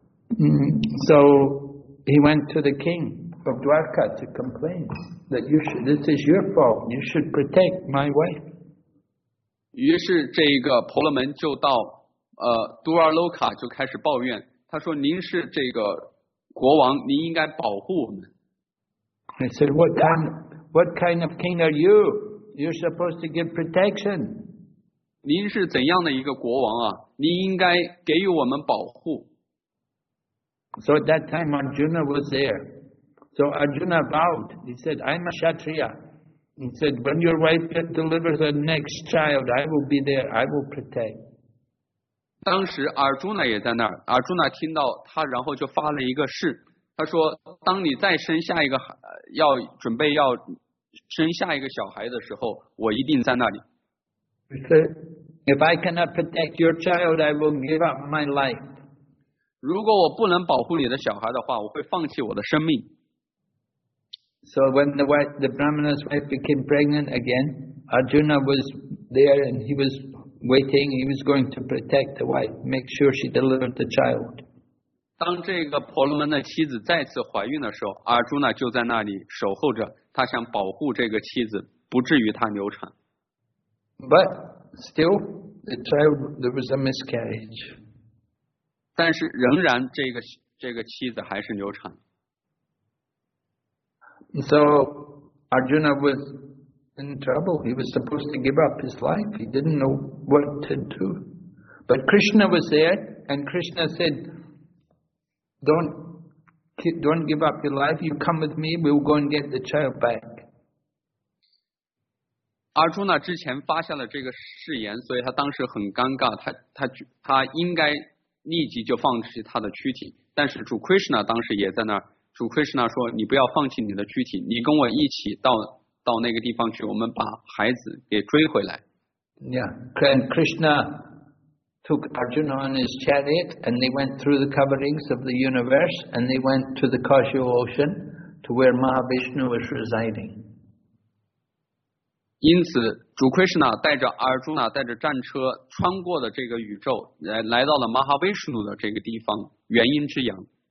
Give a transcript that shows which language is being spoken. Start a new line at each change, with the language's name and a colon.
English: So he went to the king of Dwarka to complain that this is your fault. You should protect my wife.
Chinese: 于是这个婆罗门就到杜尔洛卡就开始抱怨。他说：“您是这个国王，您应该保护我们。”
English: He said, "What kind of king are you? You're supposed to give protection."
Chinese: 您是怎样的一个国王啊？您应该给予我们保护。
English: So at that time Arjuna was there. So Arjuna vowed. He said, "I'm a Kshatriya." He said, "When your wife delivers her next child, I will be there. I will protect."
Chinese: 当时 Arjuna 也在那儿。Arjuna 听到他，然后就发了一个誓。他说：“当你再生下一个，要准备要生下一个小孩的时候，我一定在那里。”
English: If I cannot protect your child, I will give up my life.
Chinese: 如果我不能保护你的小孩的话，我会放弃我的生命。
English: So when the Brahmana's wife became pregnant again, Arjuna was there and he was waiting. He was going to protect the wife, make sure she delivered the child.
Chinese: 当这个婆罗门的妻子再次怀孕的时候，阿朱娜就在那里守候着，他想保护这个妻子，不至于她流产。
English: But still, the child there was a miscarriage.
Chinese: 但是仍然这个妻子还是流产。
English: So Arjuna was in trouble. He was supposed to give up his life. He didn't know what to do. But Krishna was there, and Krishna said, don't give up your life. You come with me. We'll go and get the child back.
Chinese: Arjuna 之前发下了这个誓言，所以他当时很尴尬。他应该立即就放弃他的躯体，但是主 Krishna 当时也在那儿。主 Krishna 说：“你不要放弃你的躯体，你跟我一起到那个地方去，我们把孩子给追回来。”
English: Yeah, and Krishna took Arjuna on his chariot, and they went through the coverings of the universe, and they went to the Kashi Ocean, to where Mahavishnu was residing.
Chinese: 因此，主 Krishna 带着 Arjuna 带着战车穿过了这个宇宙，来到了 Mahavishnu 的这个地方，元婴之阳。